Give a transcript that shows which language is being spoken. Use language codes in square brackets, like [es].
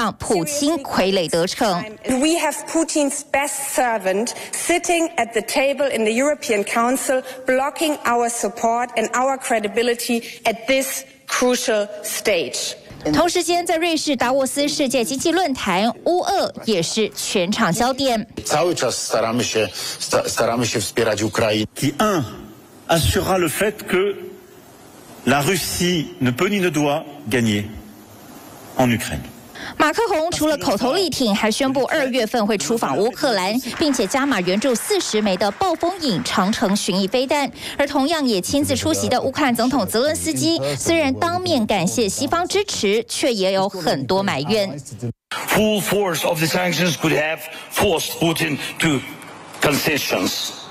[zh] 欧盟承诺到2027年前会提供乌克兰500亿欧元资金。亲俄的匈牙利去年12月份否决提议，引发议员痛批，绝不能让普京傀儡得逞。 [en] We have Putin's best servant sitting at the table in the European Council, blocking our support and our credibility at this crucial stage. [zh] 同时间，在瑞士达沃斯世界经济论坛，乌俄也是全场焦点。 [pl] Cały czas staramy się wspierać Ukrainę. [fr] Kiun assurera le fait que la Russie ne peut ni ne doit gagner en Ukraine. [zh] 马克宏除了口头力挺，还宣布2月份会出访乌克兰，并且加码援助40枚的暴风影长城巡弋飞弹。而同样也亲自出席的乌克兰总统泽伦斯基，虽然当面感谢西方支持，却也有很多埋怨。 [en] Full force of the sanctions could have forced Putin to concessions